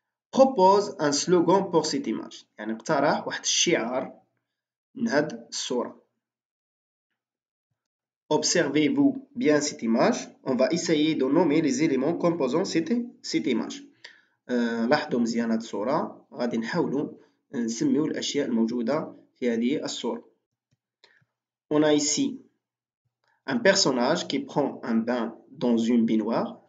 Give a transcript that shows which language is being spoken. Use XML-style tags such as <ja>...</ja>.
<fr>Propose un slogan pour cette image.</fr> <ar>يعني اقترح واحد الشعار من هذه الصورة.</ar> <fr>Observez-vous bien cette image. On va essayer de nommer les éléments composant cette image.</fr> <ar>لاحظوا مزيان هذه الصورة. غادي نحاولوا نسميوا الأشياء الموجودة في هذه الصورة.</ar> <fr>On a ici un personnage qui prend un bain dans une baignoire.</fr>